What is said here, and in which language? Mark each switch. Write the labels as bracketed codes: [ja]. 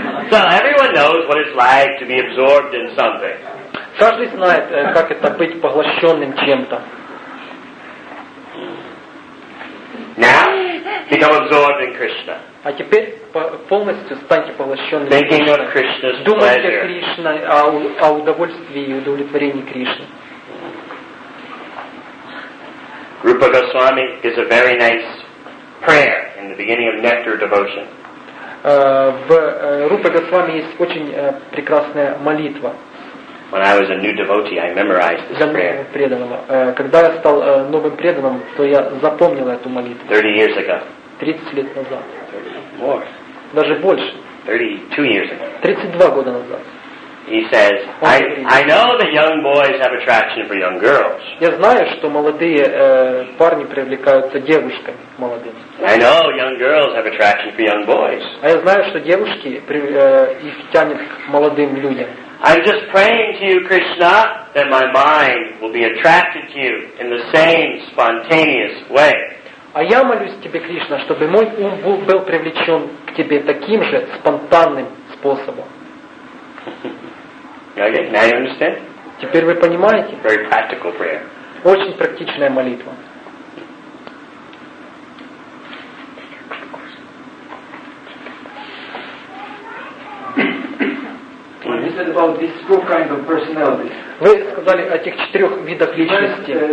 [en] So everyone knows what it's like to be absorbed in something. [ru] Каждый знает, как это быть поглощенным чем-то. [en] Now, become absorbed in Krishna. [ru] А теперь полностью станьте поглощенным. [en] Thinking of Krishna's pleasure. [ru] Думайте о Кришне, о удовольствии и удовлетворении Кришны. [en] Rupa Goswami is a very nice prayer in the beginning of Nectar Devotion. [ru] В Рупа Госвами есть очень прекрасная молитва. [en] When I was a new devotee, I memorized this prayer. [ru] Когда я стал новым преданным, то я запомнил эту молитву. [en] 30 years ago. [ru] 30 лет назад. 30. [en] More. [ru] Даже больше. [en] 32 years ago. [ru] 32 года назад. [en] He says, I know that young boys have attraction for young girls. [ru] Я знаю, что молодые парни привлекаются девушками молодыми. [en] I know young girls have attraction for young boys. [ru] А я знаю, что девушки их тянет к молодым людям. [en] I'm just praying to you, Krishna, that my mind will be attracted to you in the same spontaneous way. [ru] А я молюсь тебе, Кришна, чтобы мой ум был привлечен к тебе таким же спонтанным способом. [en] Okay, now you understand? [ru] Теперь вы понимаете? [en] Very practical prayer. [ru] Очень практичная молитва. [en] You said about these four kinds of personalities. [ru] Вы сказали о тех четырех видах личности.